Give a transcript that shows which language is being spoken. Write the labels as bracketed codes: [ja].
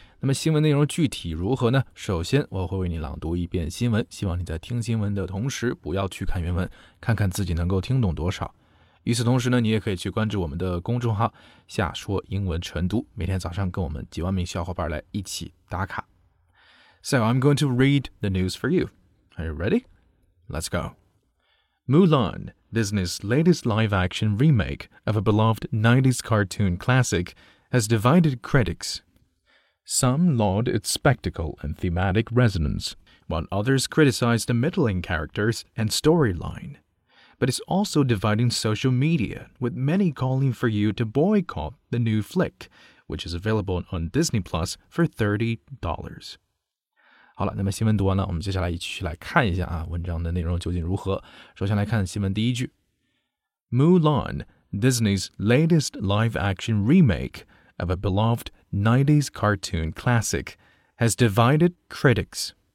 [zh] 那么新闻内容具体如何呢？首先我会为你朗读一遍新闻，希望你在听新闻的同时不要去看原文，看看自己能够听懂多少。与此同时呢，你也可以去关注我们的公众号夏说英文晨读，每天早上跟我们几万名小伙伴来一起打卡。 [en] So I'm going to read the news for youAre you ready? Let's go. Mulan, Disney's latest live-action remake of a beloved 90s cartoon classic, has divided critics. Some laud its spectacle and thematic resonance, while others criticize the middling characters and storyline. But it's also dividing social media, with many calling for you to boycott the new flick, which is available on Disney Plus for $30. [zh] 好了，那么新闻读完了，我们接下来一起来看一下啊，文章的内容究竟如何。首先来看新闻第一句 [en] ：Mulan, Disney's latest live-action remake of a beloved 90s cartoon classic, has divided critics.